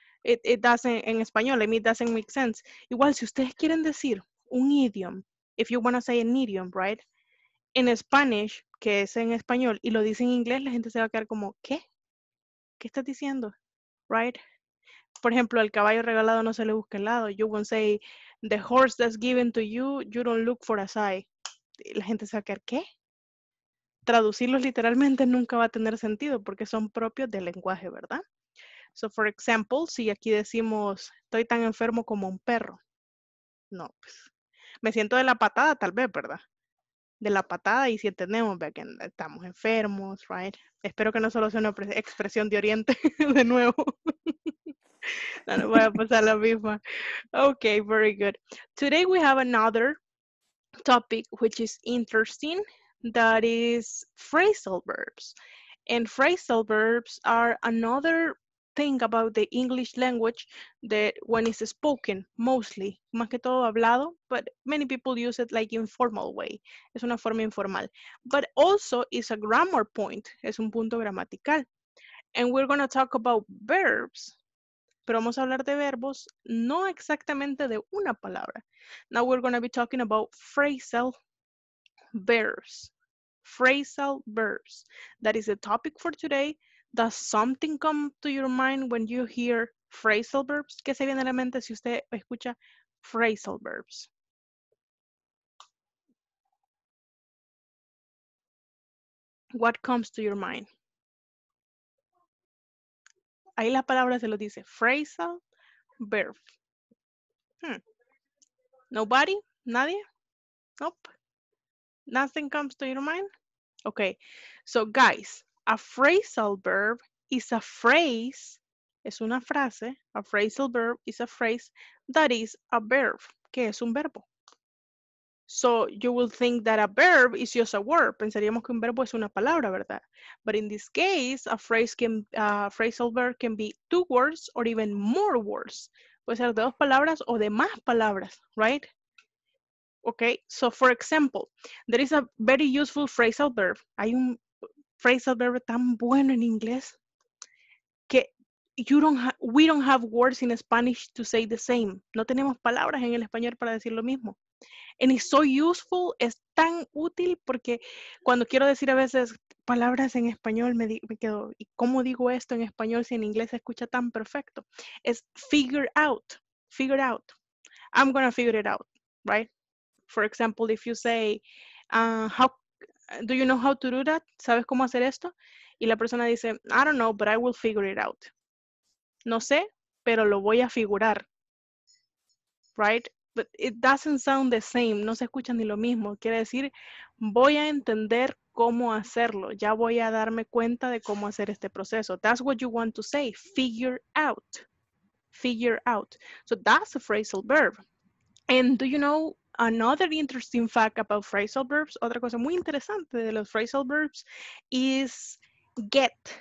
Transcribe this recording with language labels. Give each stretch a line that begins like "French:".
English: It doesn't,
Spanish: en español,
English: I mean, it doesn't make sense.
Spanish: Igual, si ustedes quieren decir un idiom,
English: if you want to say an idiom, right? In Spanish,
Spanish: que es en español, y lo dice en inglés, la gente se va a quedar como, ¿qué? ¿Qué estás diciendo? Right? Por ejemplo, el caballo regalado no se le busca el lado.
English: You won't say, the horse that's given to you, you don't look for a side.
Spanish: La gente se va a quedar, ¿qué? Traducirlos literalmente nunca va a tener sentido porque son propios del lenguaje, ¿verdad?
English: So, for example,
Spanish: si aquí decimos, estoy tan enfermo como un perro. No, pues, me siento de la patada tal vez, ¿verdad? De la patada y si entendemos, ¿verdad? Que estamos enfermos, right? Espero que no solo sea una expresión de oriente de nuevo. No, no voy a pasar la misma.
English: Okay, very good. Today we have another topic which is interesting, that is phrasal verbs. And phrasal verbs are another thing about the English language that when it's spoken, mostly,
Spanish: más que todo hablado,
English: but many people use it like informal way. Es una forma informal. But also it's a grammar point, es un punto gramatical. And we're going to talk about verbs.
Spanish: Pero vamos a hablar de verbos, no exactamente de una palabra.
English: Now we're going to be talking about phrasal verbs. Phrasal verbs. That is the topic for today. Does something come to your mind when you hear phrasal verbs?
Spanish: ¿Qué se viene a la mente si usted escucha phrasal verbs?
English: What comes to your mind?
Spanish: Ahí la palabra se lo dice, phrasal verb.
English: Nobody?
Spanish: Nadie?
English: Nope. Nothing comes to your mind? Okay. So guys, a phrasal verb is a phrase,
Spanish: es una frase,
English: a phrasal verb is a phrase that is a verb,
Spanish: que es un verbo.
English: So you will think that a verb is just a word.
Spanish: Pensaríamos que un verbo es una palabra, ¿verdad?
English: But in this case, a phrasal verb can be two words or even more words.
Spanish: Puede ser de dos palabras o de más palabras, right?
English: Okay, so for example, there is a very useful phrasal verb.
Spanish: Hay un phrasal verb tan bueno en inglés que
English: we don't have words in Spanish to say the same.
Spanish: No tenemos palabras en el español para decir lo mismo.
English: And it's so useful,
Spanish: es tan útil, porque cuando quiero decir a veces palabras en español, me quedo, ¿y cómo digo esto en español si en inglés se escucha tan perfecto? Es figure out. I'm gonna figure it out, right? For example, if you say, do you know how to do that? ¿Sabes cómo hacer esto? Y la persona dice,
English: I don't know, but I will figure it out.
Spanish: No sé, pero lo voy a figurar, right?
English: But it doesn't sound the same.
Spanish: No se escucha ni lo mismo. Quiere decir, voy a entender cómo hacerlo. Ya voy a darme cuenta de cómo hacer este proceso.
English: That's what you want to say. Figure out. Figure out. So that's a phrasal verb. And do you know another interesting fact about phrasal verbs?
Spanish: Otra cosa muy interesante de los phrasal verbs
English: is get.